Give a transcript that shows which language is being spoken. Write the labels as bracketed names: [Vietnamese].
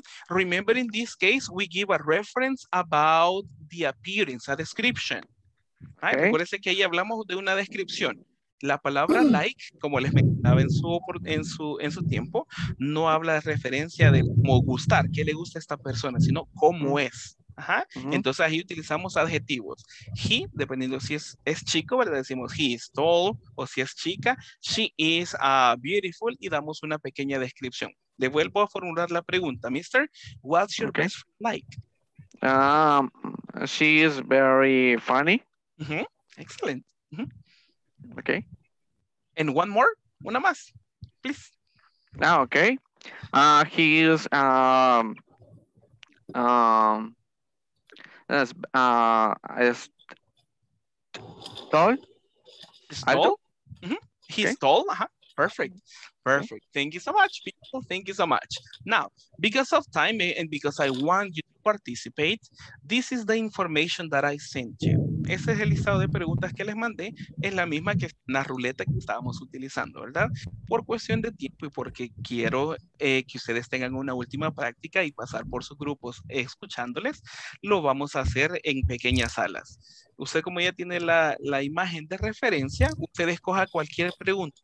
[English] Remember, in this case, we give a reference about the appearance, a description. [Spanish] Okay. Recuerde que ahí hablamos de una descripción. La palabra like, como les mencionaba en su tiempo, no habla de referencia de como gustar, qué le gusta a esta persona, sino cómo es. Ajá. Uh-huh. Entonces ahí utilizamos adjetivos. He, dependiendo si es chico, ¿verdad? Decimos [English] he is tall, [Spanish] o si es chica, [English] she is beautiful, [Spanish] y damos una pequeña descripción. Le vuelvo a formular la pregunta, mister. [English] What's your best friend like? She is very funny. Uh-huh. Excellent. Uh-huh. Okay. And one more, [Spanish] una más, [English] please. Ah, okay. He is tall. Tall? Mm-hmm. He's tall. Uh-huh. Perfect. Perfect. Okay. Thank you so much, people. Thank you so much. Now, because of time and because I want you to participate, this is the information that I sent you. [Spanish] Ese es el listado de preguntas que les mandé. Es la misma que la ruleta que estábamos utilizando, ¿verdad? Por cuestión de tiempo y porque quiero que ustedes tengan una última práctica y pasar por sus grupos escuchándoles, lo vamos a hacer en pequeñas salas. Usted, como ya tiene la imagen de referencia, usted escoja cualquier pregunta.